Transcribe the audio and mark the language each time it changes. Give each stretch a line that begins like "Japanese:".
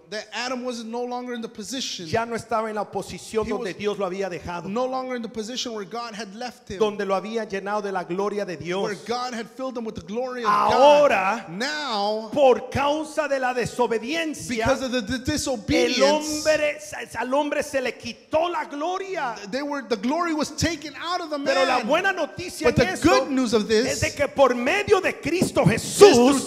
English: That Adam was no longer in the position.
Spanish: Ya no estaba en la posición donde Dios lo había dejado.
English: No longer in the position where God had left him.
Spanish: Donde lo había llenado de la gloria de Dios.
English: Where God had filled him with the glory of
Spanish: ahora,
English: God.
Spanish: Ahora,
English: now,
Spanish: por causa de la desobediencia,
English: because of the disobedience,
Spanish: al hombre se le quitó la gloria.
English: The glory was taken out of the man.
Spanish: Pero la buena noticia
English: but
Spanish: en
English: the good news of this,
Spanish: es de que por medio de Cristo Jesús,